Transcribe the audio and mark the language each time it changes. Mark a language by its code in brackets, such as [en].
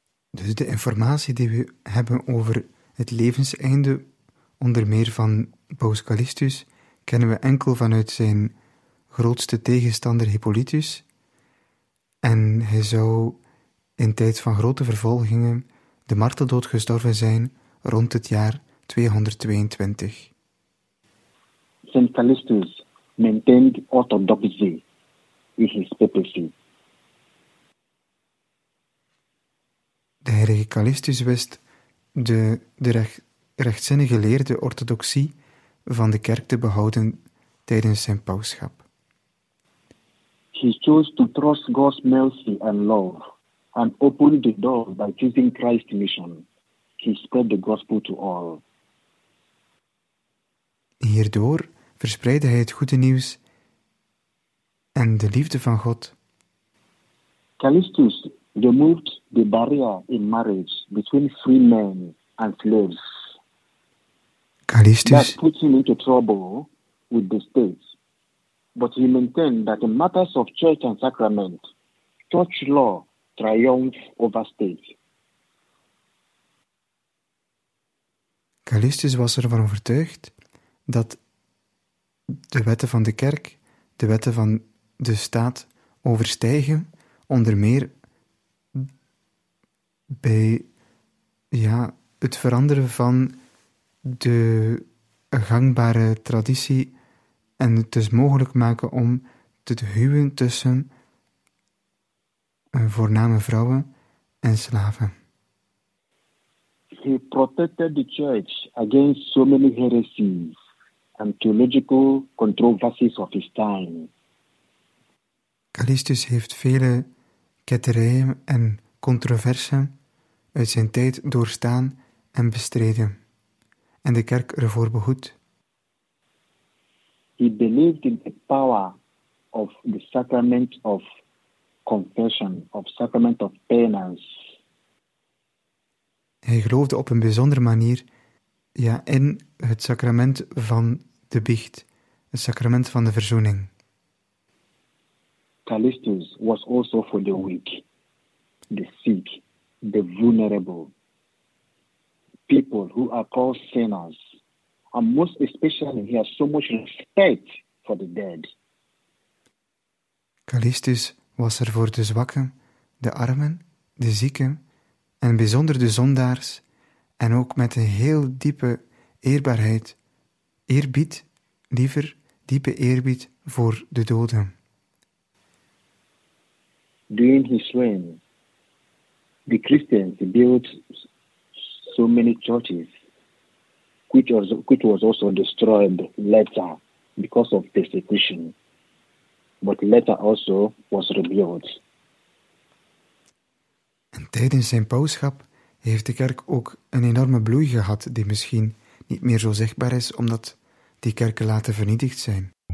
[nl] Dus de informatie die we hebben over het levenseinde, onder meer van paus Callistus, kennen we enkel vanuit zijn grootste tegenstander Hippolytus. En hij zou in tijd van grote vervolgingen de marteldood gestorven zijn rond het jaar 222. [en] Saint Callistus maintained orthodoxy in his papacy. [nl] De heilige Callistus wist de rechtzinnige geleerde orthodoxie van de kerk te behouden tijdens zijn pausschap. [en] He chose to trust God's mercy and love and open the door by choosing Christ's mission. He spread the gospel to all. [nl] Hierdoor verspreidde hij het goede nieuws en de liefde van God. [en] Callistus removed the barrier in marriage between free men and slaves. Callistus that put him into trouble with the state. But he maintained that in matters of church and sacrament, church law triumphs over state. [nl] Callistus was ervan overtuigd dat de wetten van de kerk de wetten van de staat overstijgen, onder meer bij het veranderen van de gangbare traditie en het dus mogelijk maken om te huwen tussen voorname vrouwen en slaven. [en] He protected the church against so many heresies and theological controversies of his time. [nl] Callistus heeft vele ketterijen en controversen uit zijn tijd doorstaan en bestreden en de kerk ervoor behoed. [en] He believed in the power of the sacrament of confession, of sacrament of penance. [nl] Hij geloofde op een bijzondere manier, ja, in het sacrament van de biecht, het sacrament van de verzoening. [en] Callistus was also for the weak, the sick, the vulnerable, people who are called sinners. And most especially, he has so much respect for the dead. [nl] Callistus was er voor de zwakken, de armen, de zieken en bijzonder de zondaars en ook met een heel diepe eerbaarheid, eerbied, liever diepe eerbied voor de doden. [en] During his reign, the Christians built so many churches, which was also destroyed later because of persecution. But later also was rebuilt. [nl] En tijdens zijn pauschap heeft de kerk ook een enorme bloei gehad, die misschien niet meer zo zichtbaar is, omdat die kerken later vernietigd zijn.